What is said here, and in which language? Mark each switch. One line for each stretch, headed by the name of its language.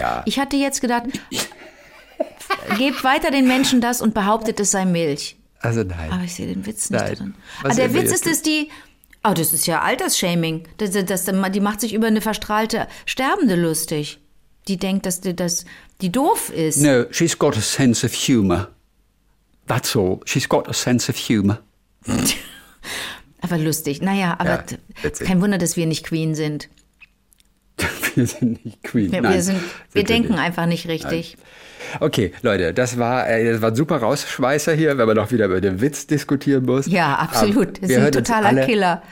German: Ich hatte jetzt gedacht, gebt weiter den Menschen das und behauptet, es sei Milch. Also nein. Aber ich sehe den Witz nicht drin. Aber der Witz ist, das ist ja Altersshaming. Die macht sich über eine verstrahlte Sterbende lustig. Die denkt, dass die doof ist.
English: No, she's got a sense of humor. That's all. She's got a sense of humor.
German: Aber lustig. Naja, aber ja, kein Wunder, dass wir nicht Queen sind. Wir sind nicht Queen. Wir denken einfach nicht richtig. Nein. Okay, Leute, das war ein super Rausschweißer hier, wenn man noch wieder über den Witz diskutieren muss. Ja, absolut. Das ist ein totaler Killer.